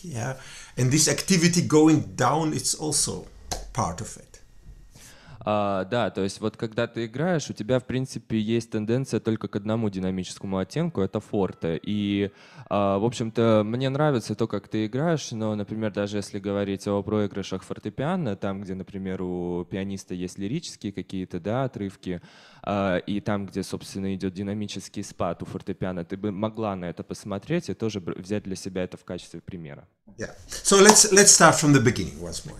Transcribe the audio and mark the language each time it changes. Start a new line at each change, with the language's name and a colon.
English: Yeah, and this activity going down, it's also part of it.
Russian: Да, то есть вот когда ты играешь, у тебя, в принципе, есть тенденция только к одному динамическому оттенку, это форте. И, в общем-то, мне нравится то, как ты играешь, но, например, даже если говорить о проигрышах фортепиано, там, где, например, у пианиста есть лирические какие-то, да, отрывки, и там, где, собственно, идет динамический спад у фортепиано, ты бы могла на это посмотреть и тоже взять для себя это в качестве примера.
English: Yeah. So let's start from the beginning once more.